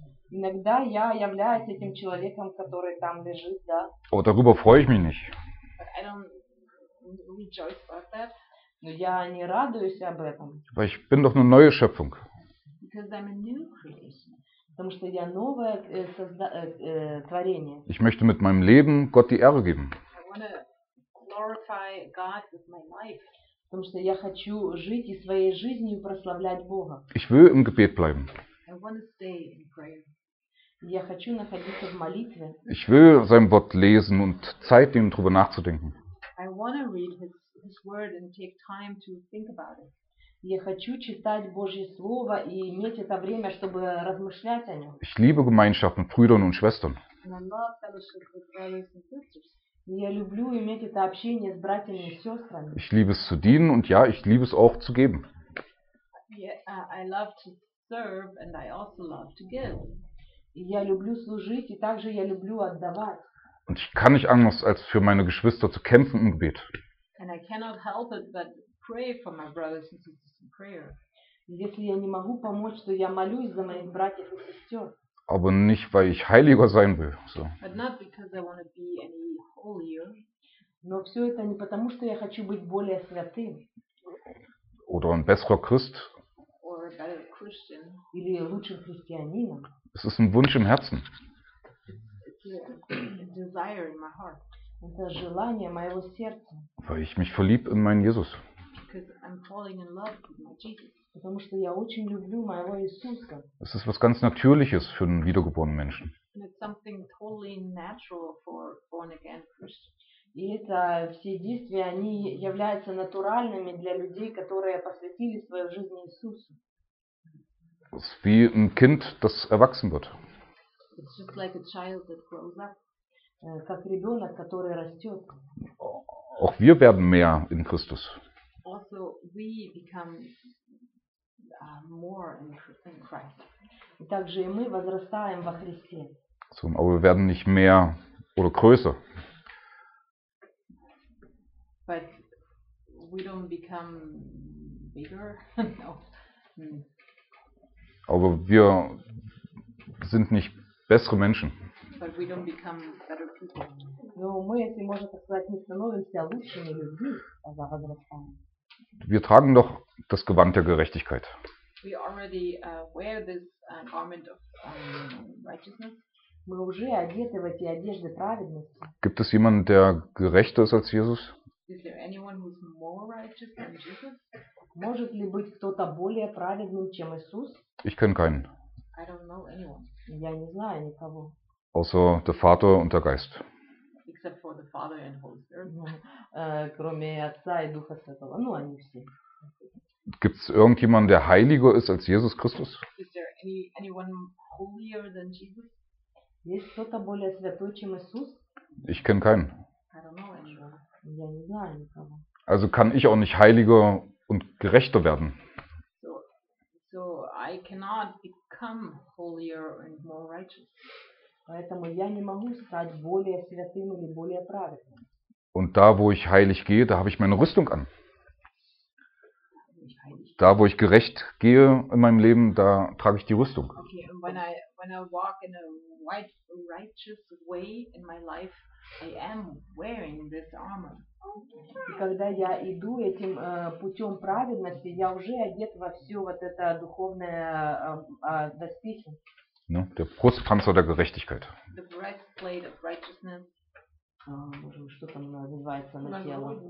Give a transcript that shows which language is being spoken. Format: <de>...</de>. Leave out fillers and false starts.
<ru>Иногда я являюсь этим человеком, который там лежит, да.</ru> <de>Aber darüber freue ich mich nicht.</de> <en>Rejoice about that.</en> <ru>Но я не радуюсь об этом.</ru> <de>Weil ich bin doch eine neue Schöpfung.</de> <en>Because I'm a new creation.</en> <ru>Потому что я новое творение.</ru> <de>Ich möchte mit meinem Leben Gott die Ehre geben.</de> <en>I want to glorify God with my life.</en> <ru>Потому что я хочу жить и своей жизнью прославлять Бога.</ru> <de>Ich will im Gebet bleiben.</de> <en>I want to stay in prayer.</en> <ru>Я хочу находиться в молитве.</ru> <de>Ich will sein Wort lesen und Zeit nehmen, darüber nachzudenken.</de> <en>I want to read his word and take time to think about it.</en> <ru>Я хочу читать Божье слово и иметь это время, чтобы размышлять о нем.</ru> <de>Ich liebe Gemeinschaft mit Brüdern und Schwestern.</de> <en>And I love fellowship with brothers and sisters.</en> <ru>Я люблю иметь это общение с братьями и сестрами.</ru> <de>Ich liebe es zu dienen und ja, ich liebe es auch zu geben.</de> <en>Yeah, I love to serve and I also love to give.</en> <ru>Я люблю служить и также я люблю отдавать.</ru> <de>Und ich kann nicht anders, als für meine Geschwister zu kämpfen im Gebet.</de> <en>And I cannot help it, but pray for my brothers and sisters in prayer.</en> <ru>Если я не могу помочь, то я молюсь за моих братьев и сестер.</ru> <de>Aber nicht, weil ich heiliger sein will. So.</de> <en>But not because I want to be any holier.</en> <ru>Но все это не потому, что я хочу быть более святым.</ru> <de>Oder ein besserer Christ.</de> <en>Or a better Christian.</en> <ru>Или лучшим христианином.</ru> <de>Es ist ein Wunsch im Herzen.</de> <en>Yeah. Desire in my heart.</en> <ru>Это желание моего сердца.</ru> <de>Weil ich mich verlieb in meinen Jesus.</de> <en>Because I'm falling in love with my Jesus.</en> <ru>Потому что я очень люблю моего Иисуса.</ru> <de>Es ist was ganz Natürliches für einen wiedergeborenen Menschen.</de> <en>And it's something totally natural for born again Christians.</en> <ru>И это все действия, они являются натуральными для людей, которые посвятили свою жизнь Иисусу.</ru> <de>Es ist wie ein Kind, das erwachsen wird.</de> <en>It's just like a child that grows up.</en> <ru>Как ребенок, который растет.</ru> <de>Auch wir werden mehr in Christus.</de> <en>Also we become more in Christ.</en> <ru>И также и мы возрастаем во Христе.</ru> <de>So, aber wir werden nicht mehr oder größer.</de> <en>But we don't become bigger. No.</en> <de>Aber wir sind nicht bessere Menschen.</de> <en>But we don't become better people.</en> <ru>Но мы, если можно так сказать, не становимся лучшими людьми, а возрастаем.</ru> <de>Wir tragen doch das Gewand der Gerechtigkeit.</de> <en>We already wear this garment of righteousness.</en> <ru>Мы уже одеты в эти одежды праведности.</ru> <de>Gibt es jemanden, der gerechter ist als Jesus?</de> <en>Is there anyone who's more righteous than Jesus?</en> <ru>Может ли быть кто-то более праведным, чем Иисус?</ru> <de>Ich kenne keinen.</de> <en>I don't know anyone.</en> <ru>Я не знаю никого.</ru> <de>Außer der Vater und der Geist.</de> <en>Except for the Father and Holy Spirit.</en> <ru>Кроме Отца и Духа Святого. Ну, они все.</ru> <de>Gibt es irgendjemanden, der heiliger ist als Jesus Christus?</de> <en>Is there anyone holier than Jesus?</en> <ru>Есть кто-то более святой, чем Иисус?</ru> <de>Ich kenne keinen.</de> <en>I don't know anyone.</en> <ru>Я не знаю никого.</ru> <de>Also kann ich auch nicht heiliger und gerechter werden.</de> <en>So I cannot become holier and more righteous.</en> <ru>Поэтому я не могу стать более святым или более праведным.</ru> <de>Und da, wo ich heilig gehe, da habe ich meine Rüstung an. Da, wo ich gerecht gehe in meinem Leben, da trage ich die Rüstung.</de> <en>Okay, and when I walk in a white, righteous way in my life, I am wearing this armor.</en> <ru>И когда я иду этим путем праведности, я уже одет во все вот это духовное доспехи.</ru> <de>Ну, der Brustpanzer der Gerechtigkeit.</de> <en>The breastplate of righteousness.</en> <ru>Может быть, что там называется на тело?</ru>